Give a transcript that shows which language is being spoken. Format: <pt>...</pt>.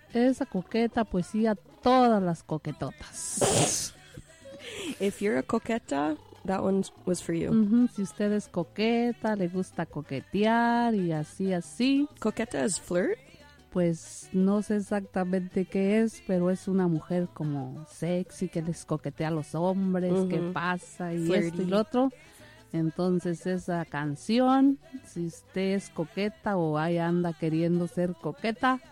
<es>Esa coqueta, pues sí, a todas las coquetotas.</es> <en>If you're a coqueta, that one was for you. Mm-hmm.</en> <es>Si usted es coqueta, le gusta coquetear y así, así.</es> <en>¿Coqueta is flirt?</en> <es>Pues no sé exactamente qué es, pero es una mujer como sexy, que les coquetea a los hombres, mm-hmm. qué pasa y esto y lo otro. Entonces esa canción, si usted es coqueta o ahí anda queriendo ser coqueta,</es>